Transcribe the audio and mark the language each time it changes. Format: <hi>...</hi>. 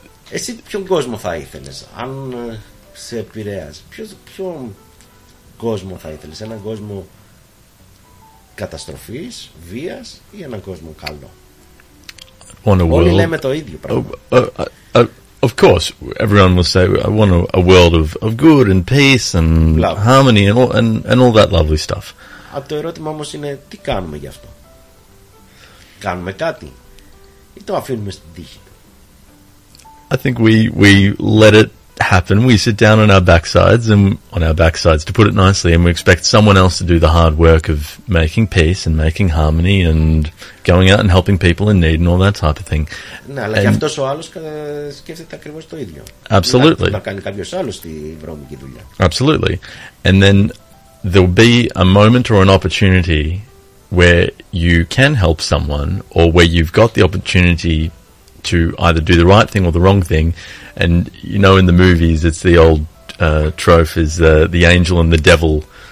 <el>Εσύ ποιον κόσμο θα ήθελες, αν σε επηρέασε, ποιον κόσμο θα ήθελες, έναν κόσμο καταστροφής, βίας ή έναν κόσμο καλό? Όλοι λέμε το ίδιο πράγμα.</el> <en>Of course, everyone will say, I want a world of good and peace and love, harmony and all that lovely stuff.</en> <el>Το ερώτημα όμως είναι, τι κάνουμε γι' αυτό? Κάνουμε κάτι ή το αφήνουμε στην τύχη?</el> <en>I think we let it happen. We sit down on our backsides, and on our backsides, to put it nicely, and we expect someone else to do the hard work of making peace and making harmony and going out and helping people in need and all that type of thing.</en> <el>Ναι, αλλά και αυτός ο άλλος σκέφτεται ακριβώς το ίδιο.</el> <en>Absolutely.</en> <el>Να κάνει κάποιος άλλος τη βρώμικη δουλειά.</el> <en>Absolutely. And then there'll be a moment or an opportunity where you can help someone, or where you've got the opportunity to either do the right thing or the wrong thing. And you know, in the movies, it's the old trope is the angel and the devil.</en>